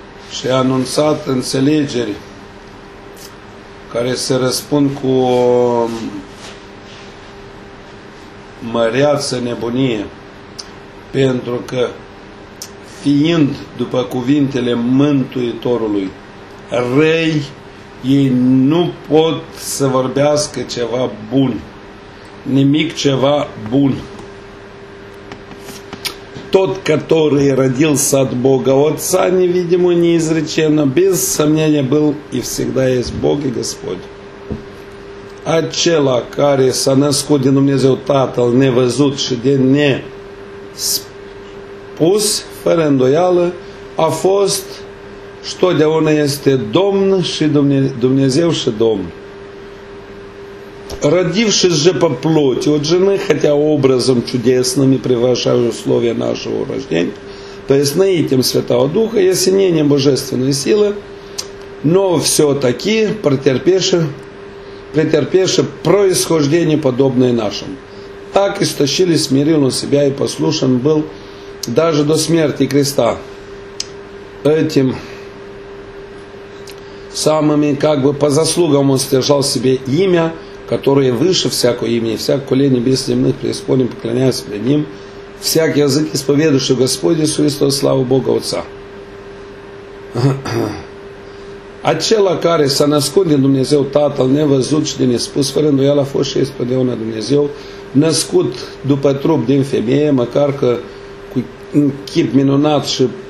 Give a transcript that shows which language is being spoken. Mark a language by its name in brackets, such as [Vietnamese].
[Romanian] Și-a anunțat înțelegeri care se răspund cu o măreață nebunie, pentru că fiind, după cuvintele Mântuitorului, răi, ei nu pot să vorbească ceva bun. Nimic ceva bun. [Russian] Tot который родился от Бога Отца, невидимо, неизреченно, без сомнения был и всегда есть Бог и Господь. [Romanian] Acela care s-a născut din Dumnezeu Tatăl, nevăzut și de nespus, fără îndoială, a fost și totdeauna este Domn și Dumnezeu și Domn. [Russian] Родившись же по плоти от жены, хотя образом чудесным и превышая условия нашего рождения, то есть наитием Святого Духа и осенением Божественной силы, но все-таки претерпевши происхождение подобное нашему. Так истощили, смирил он себя и послушен был даже до смерти креста, этим самыми, как бы по заслугам он содержал себе имя, которое выше всякого имени, всяк колен небес земных преисполнен, поклоняясь пред ним, всяк язык исповедующий Господь Иисус Христос, славу Бога Отца. [Romanian] Acela care s-a născut din Dumnezeu Tatăl, nevăzut și de nespus, fără îndoială a fost și este totdeauna Dumnezeu, născut după trup din femeie, măcar că un chip minunat și